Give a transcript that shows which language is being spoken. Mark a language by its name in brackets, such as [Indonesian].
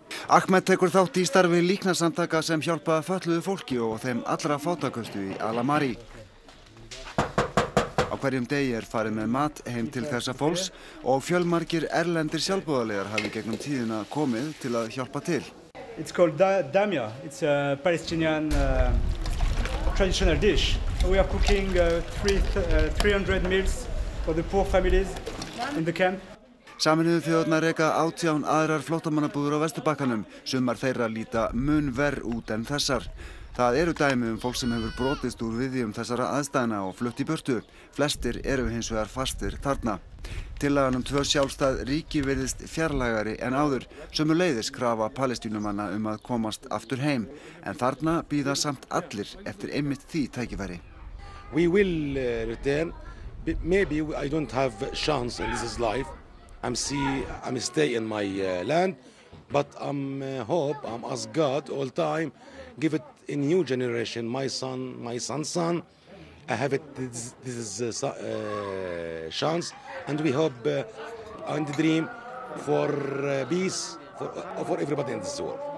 [Icelandic] Ahmed tekur þátt í starfi líknarsamtaka sem hjálpa fötluðu fólki og þeim allra fátækustu í Al-Amari. Á hverjum degi er farið með mat heim til þessa fólks og fjölmargir erlendir sjálfboðaliðar hafi gegnum tíðina komið til að hjálpa til. [English] It's called damia. It's a Palestinian traditional dish. We are cooking 300 meals for the poor families in the camp. [Icelandic] Sameinuðu þjóðirnar reka 18 aðrar flóttamannabúður á Vesturbakkanum. Sumar þeirra líta mun verr út en þessar. Það eru dæmi fólk sem hefur brotist úr viðjum þessara aðstæðna og flutt í burtu. Flestir eru hins vegar fastir þarna. Tillagan tvö sjálfstæð ríki virðist fjarlægari en áður. Sömuleiðis krafa palestínumanna að komast aftur heim. En þarna bíða samt allir eftir einmitt því tækifæri. [English] We will return. Maybe I don't have chance in this life. I'm stay in my land, but I'm ask God all time, give it a new generation, my son, I have it, this is chance, and we hope and dream for peace for everybody in this world.